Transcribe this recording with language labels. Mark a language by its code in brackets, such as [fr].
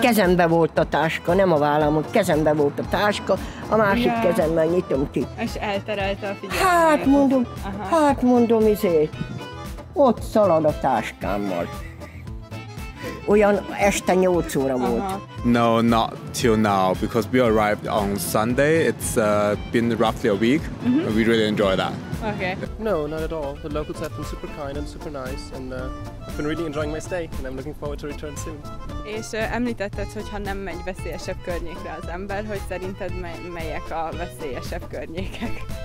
[hu] Kezembe volt a táska, nem a vállamon, kezembe volt a táska, a másik kezemmel nyitom ki. És elterelte a figyelmet. Hát mondom, ott szalad a táskámmal. olyan este 8 óra volt. [en] No, not till now, because we arrived on Sunday. It's been roughly a week. Mm-hmm. We really enjoy that. Okay. No, not at all. The locals have been super kind and super nice, and I've been really enjoying my stay, and I'm looking forward to return soon. [hu] És említetted, hogy ha nem megy veszélyesebb környékre az ember, hogy szerinted melyek a veszélyesebb környékek?